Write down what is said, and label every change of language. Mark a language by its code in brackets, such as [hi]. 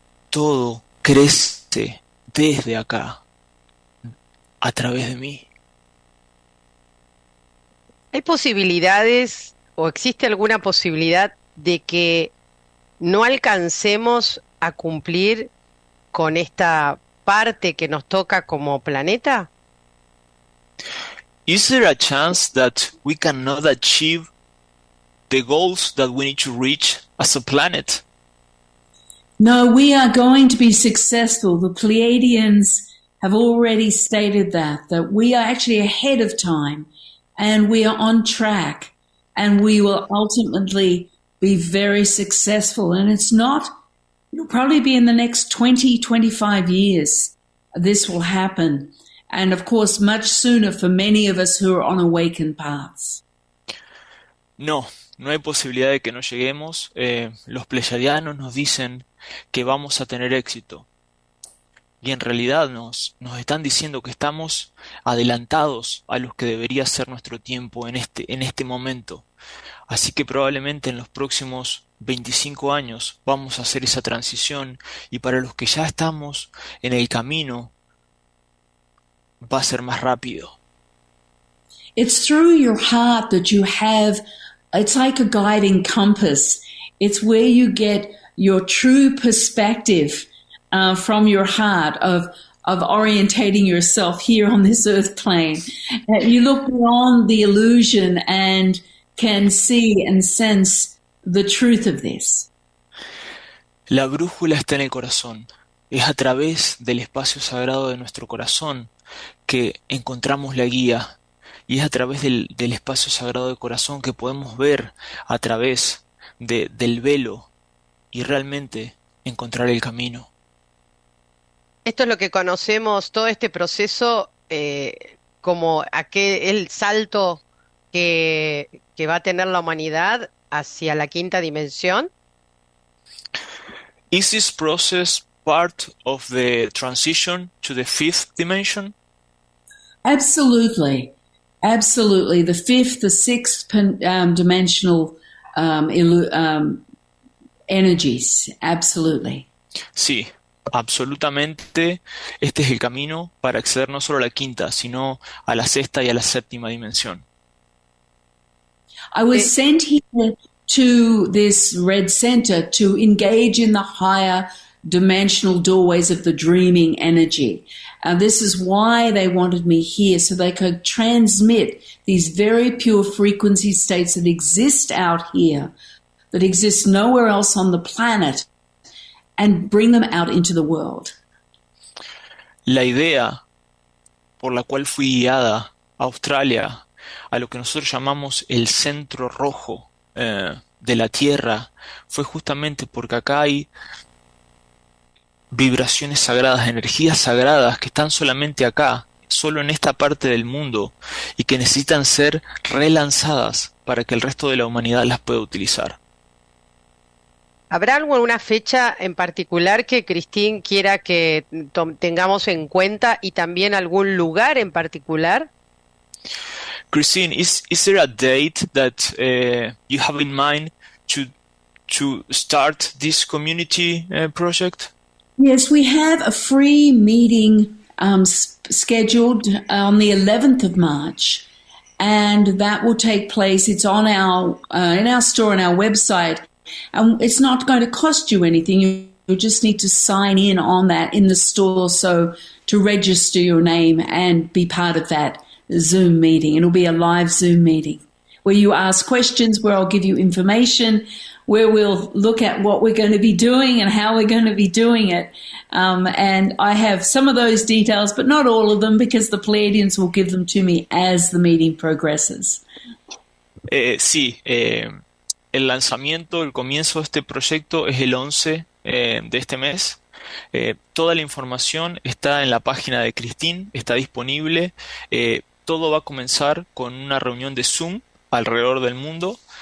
[es] Todo crece desde acá, a través de mí. ¿Hay posibilidades o existe alguna posibilidad de que no alcancemos a cumplir con esta parte que nos toca como planeta? [en] Is there a chance that we cannot achieve the goals that we need to reach as a planet? No, we are going to be successful. The Pleiadians have already stated that we are actually ahead of time and we are on track and we will ultimately be very successful. And it's not, it'll probably be in the next 20, 25 years this will happen. And of course, much sooner for many of us who are on awakened paths. [es] No, no hay posibilidad de que no lleguemos. Los pleyadianos nos dicen que vamos a tener éxito. Y en realidad nos están diciendo que estamos adelantados a los que debería ser nuestro tiempo en este momento. Así que probablemente en los próximos 25 años vamos a hacer esa transición. Y para los que ya estamos en el camino, va a ser más rápido. [en] It's through your heart that you have, it's like a guiding compass. It's where you get your true perspective from your heart of orientating yourself here on this earth plane. You look beyond the illusion and can see and sense the truth of this. [es] La brújula está en el corazón. Es a través del espacio sagrado de nuestro corazón que encontramos la guía. Y es a través del espacio sagrado del corazón que podemos ver a través del velo y realmente encontrar el camino. Esto es lo que conocemos, todo este proceso, como el salto que va a tener la humanidad hacia la quinta dimensión. ¿Es este proceso parte de la transición a la [en] fifth [es] dimensión? Absolutamente. [en] Absolutely. The fifth, the sixth dimensional energies. Absolutely. [es] Sí, absolutamente. Este es el camino para acceder no solo a la quinta, sino a la sexta y a la séptima dimensión. [en] I was sent here to this red center to engage in the higher dimensional doorways of the dreaming energy. This is why they wanted me here, so they could transmit these very pure frequency states that exist out here, that exist nowhere else on the planet, and bring them out into the world. [es] La idea por la cual fui guiada a Australia, a lo que nosotros llamamos el centro rojo de la Tierra, fue justamente porque acá hay vibraciones sagradas, energías sagradas que están solamente acá, solo en esta parte del mundo y que necesitan ser relanzadas para que el resto de la humanidad las pueda utilizar. ¿Habrá alguna fecha en particular que Cristín quiera que tengamos en cuenta y también algún lugar en particular? [en] Christine, is there a date that you have in mind to start this community project? Yes, we have a free meeting scheduled on the 11th of March, and that will take place. It's on our in our store on our website. And it's not going to cost you anything. You just need to sign in on that in the store, so to register your name and be part of that Zoom meeting. It'll be a live Zoom meeting where you ask questions, where I'll give you information, where we'll look at what we're going to be doing and how we're going to be doing it. And I have some of those details, but not all of them, because the Pleiadians will give them to me as the meeting progresses. [es] Sí, el lanzamiento, el comienzo de este proyecto es el 11 de este mes. Toda la información está en la página de Christine, está disponible. Todo va a comenzar con una reunión de Zoom alrededor del mundo.